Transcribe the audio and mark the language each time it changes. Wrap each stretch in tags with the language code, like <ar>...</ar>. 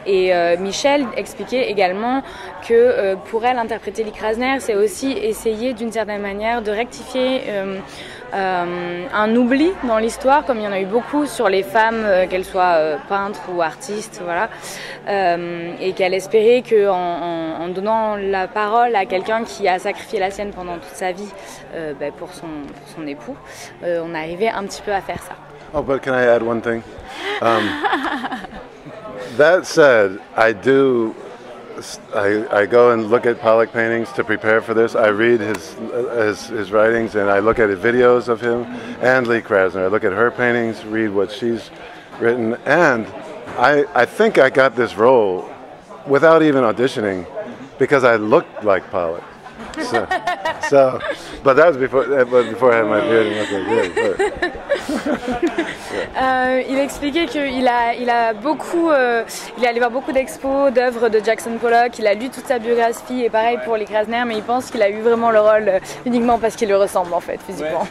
<fr>Et Michelle expliquait également que pour elle, interpréter Lee Krasner, c'est aussi essayer d'une certaine manière de rectifier un oubli dans l'histoire, comme il y en a eu beaucoup sur les femmes, qu'elles soient peintres ou artistes, voilà. Et qu'elle espérait qu'en donnant la parole à quelqu'un qui a sacrifié la sienne pendant toute sa vie pour son époux, on arrivait un petit peu à faire ça.</fr> <en>Oh, but can I add one thing? that said, I go and look at Pollock paintings to prepare for this. I read his writings, and I look at videos of him and Lee Krasner. I look at her paintings, read what she's written, and I think I got this role without even auditioning because I looked like Pollock. So but that was before I had my beard. Okay, good.</en> <fr>Il expliquait qu'il il est allé voir beaucoup d'expos, d'œuvres de Jackson Pollock, il a lu toute sa biographie, et pareil pour Lee Krasner, mais il pense qu'il a eu vraiment le rôle uniquement parce qu'il lui ressemble, en fait, physiquement.</fr>